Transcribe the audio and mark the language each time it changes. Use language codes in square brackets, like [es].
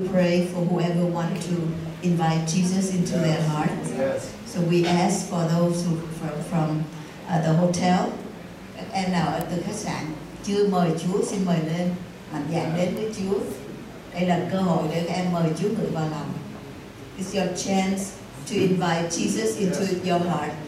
[en] pray for whoever want to invite Jesus into their heart. Yes. So we ask for those who from the hotel and now at the [vi] khách sạn, chưa mời Chúa, xin mời lên, mạnh dạn đến với Chúa. Đây là cơ hội để các em mời Chúa ngự vào lòng. [en] It's your chance to invite Jesus into your heart.